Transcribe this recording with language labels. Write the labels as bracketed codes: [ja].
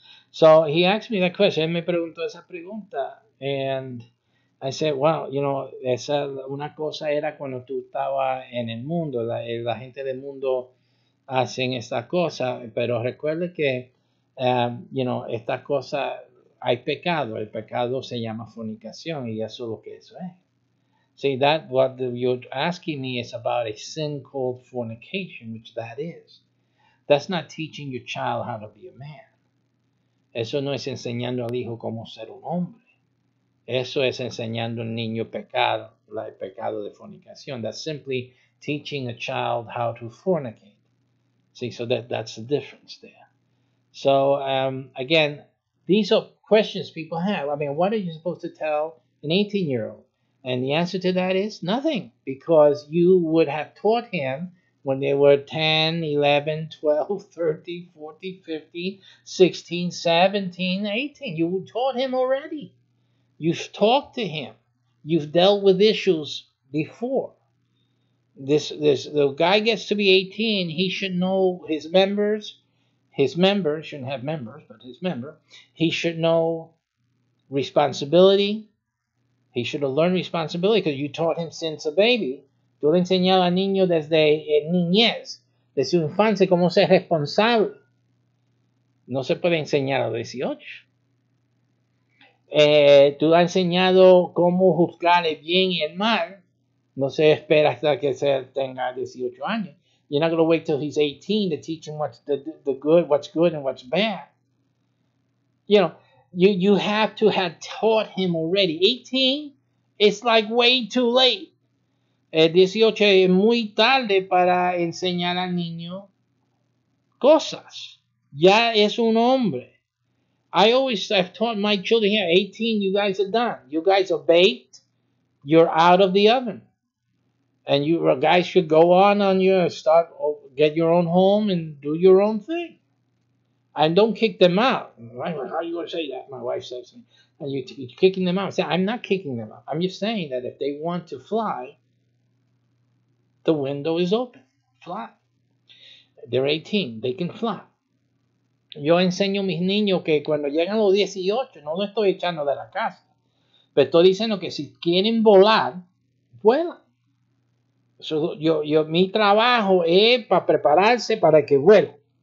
[en] So he asked me that question, [es] él me preguntó esa pregunta, [en] and I said, wow, you know, [es] esa una cosa era cuando tú estabas en el mundo, la gente del mundo hacen esta cosa, pero recuerde que, [en] you know, [es] esta cosa... Hay pecado. El pecado se llama fornicación, y eso es lo que eso es. [en] See, that what you're asking me is about a sin called fornication, which that is. That's not teaching your child how to be a man. [es] Eso no es enseñando al hijo cómo ser un hombre. Eso es enseñando al niño pecado, el pecado de fornicación. [en] That's simply teaching a child how to fornicate. See, so that's the difference there. So, again, these are questions people have. I mean, what are you supposed to tell an 18-year-old? And the answer to that is nothing, because you would have taught him when they were 10, 11, 12, 13, 14, 15, 16, 17, 18. You taught him already. You've talked to him. You've dealt with issues before. The guy gets to be 18, he should know his members. His member shouldn't have members, but his member, he should know responsibility. He should have learned responsibility, because you taught him since a baby. [es] Tú le enseñas al niño desde niñez, desde su infancia, cómo ser responsable. No se puede enseñar a 18. Tú has enseñado cómo juzgar el bien y el mal. No se espera hasta que se tenga 18 años. [en] You're not going to wait till he's 18 to teach him what's the good, what's good and what's bad. You know, you have to have taught him already. 18, it's like way too late. [es] 18 es muy tarde para enseñar al niño cosas. Ya es un hombre. [en] I've taught my children here, 18, you guys are done. You guys are baked. You're out of the oven. And you guys should go on your, start, get your own home and do your own thing. And don't kick them out. Right? How are you going to say that? My wife says, and you're kicking them out. I say, I'm not kicking them out. I'm just saying that if they want to fly, the window is open. Fly. They're 18. They can fly. [es] Yo enseño a mis niños que cuando llegan los 18, no lo estoy echando de la casa. Pero estoy diciendo que si quieren volar, vuelan. So, yo mi trabajo es para prepararse para que vuelva.